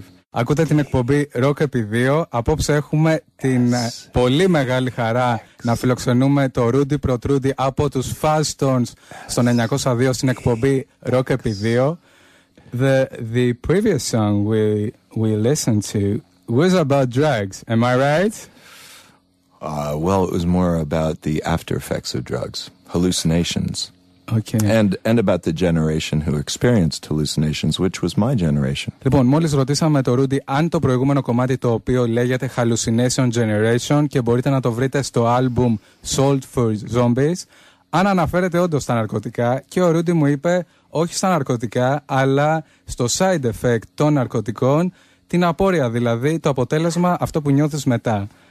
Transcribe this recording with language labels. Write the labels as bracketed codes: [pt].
[el] Ακούτε την εκπομπή Rock επί 2. Απόψε έχουμε την πολύ μεγάλη χαρά να φιλοξενούμε το Rudy Protrudy από τους Fuzz Tones στον 902 στην εκπομπή Rock επί 2. [en] The previous song we listened to was about drugs. Am I right? Well, it was more about the after effects of drugs, hallucinations. Okay. And about the generation who experienced hallucinations, which was my generation. [el] Λοιπόν, μόλις ρωτήσαμε το Rudy αν το προηγούμενο κομμάτι το οποίο λέγεται Hallucination Generation και μπορείτε να το βρείτε στο album Sold for Zombies, αν αναφέρεται όντως στα ναρκωτικά, και ο Rudy μου είπε όχι στα ναρκωτικά, αλλά στο [en] side effect [el] των ναρκωτικών, την απόρρεια, δηλαδή το αποτέλεσμα, αυτό που νιώθεις μετά.